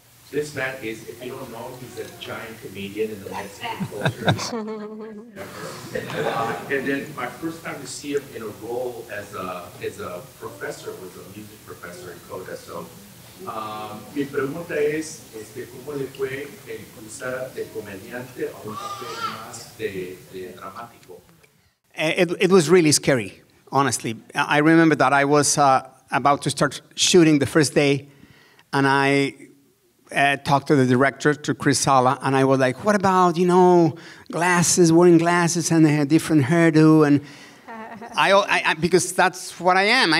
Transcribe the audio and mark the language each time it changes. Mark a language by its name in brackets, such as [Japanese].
[English] This man is, if you don't know, he's a giant comedian in the Mexican culture. And then my first time to see him in a role as a professor was a music professor in Coda. So. [Spanish] Mi pregunta es, ¿cómo le fue el cruzar de comediante a un papel más de dramático? [English] It was really scary, honestly. I remember that I was about to start shooting the first day, and I talked to the director, to Chris Sala, and I was like, what about, you know, glasses, wearing glasses, and they had different hairdo, and I because that's what I am.